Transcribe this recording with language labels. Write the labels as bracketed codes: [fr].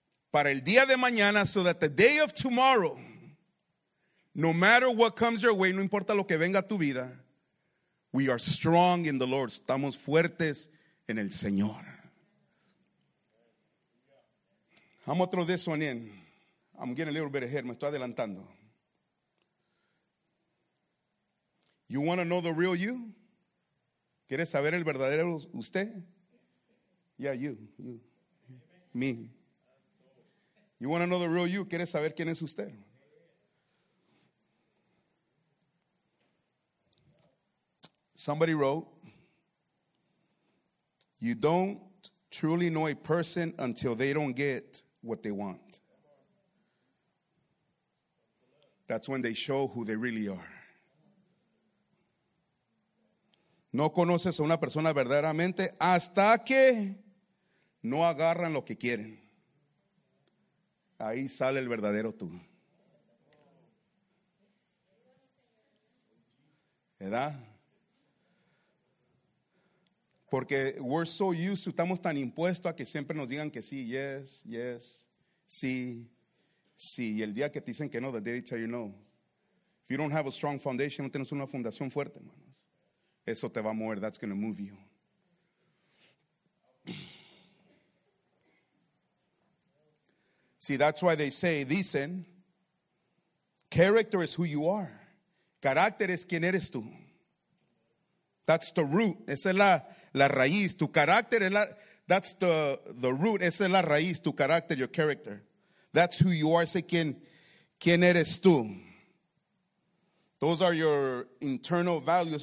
[es] Para el día de mañana, [en] so that the day of tomorrow, no matter what comes your way, [es] no importa lo que venga a tu vida, [en] we are strong in the Lord, [es] estamos fuertes en el Señor. [en] I'm going to throw this one in. I'm getting a little bit ahead. [es] Me estoy adelantando. [en] You want to know the real you? [es] ¿Quieres saber el verdadero usted? [en] Yeah, you. Me. You want to know the real you? [es] ¿Quieres saber quién es usted? [en] Somebody wrote, you don't truly know a person until they don't get what they want. That's when they show who they really are. [es] No conoces a una persona verdaderamente hasta que no agarran lo que quieren. Ahí sale el verdadero tú. ¿verdad? Porque [en] we're so used to, [es] estamos tan impuestos a que siempre nos digan que sí, [en] yes, yes, [es] sí, sí. Y el día que te dicen que no, [en] the day they tell you no. If you don't have a strong foundation, [es] no tienes una fundación fuerte, hermanos. Eso te va a mover, [en] that's going to move you. See, that's why they say, dicen, character is who you are. [es] Carácter es quién eres tú. [en] That's the root. [es] Esa es la raíz. Tu carácter es la, [en] that's the root. [es] Esa es la raíz, tu carácter, [en] your character. That's who you are. [es] Ese quién eres tú. [en] Those are your internal values.